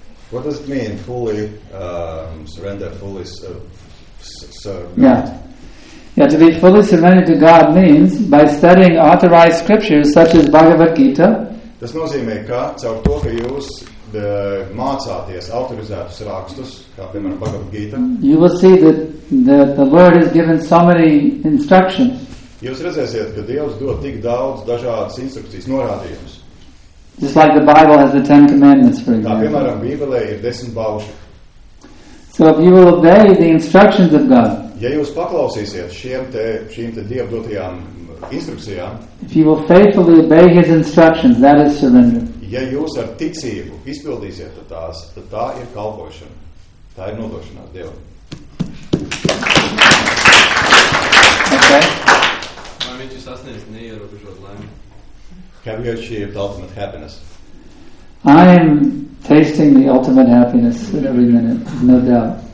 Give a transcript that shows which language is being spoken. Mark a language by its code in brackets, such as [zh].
[en] What does it mean, fully surrender, fully serve? Yeah, to be fully surrendered to God means by studying authorized scriptures such as Bhagavad Gita. [lv] Tas nozīmē, ka caur to, ka jūs mācāties autorizētus rakstus, kā piemēram Bhagavad Gita. [en] You will see that the Lord has given so many instructions. [lv] Jūs redzēsiet, ka Dievs dod tik daudz dažādas instrukcijas, norādījumus. [en] Just like the Bible has the Ten Commandments, for example. [lv] Tā, piemēram, Bībelē ir 10 bauši. [en] So if you will obey the instructions of God, [lv] ja jūs paklausīsiet šīm te Dieva dotajām instrukcijām, [en] if you will faithfully obey his instructions, that is surrender. [lv] Ja jūs ar ticību izpildīsiet tās, tad tā ir kalpošana. Tā ir nodošanās Dievam. [en] Okay. [lv] Vai viņš ir sasniegts neierobežot laimi? [en] Have you achieved ultimate happiness? I am tasting the ultimate happiness at every minute, no doubt.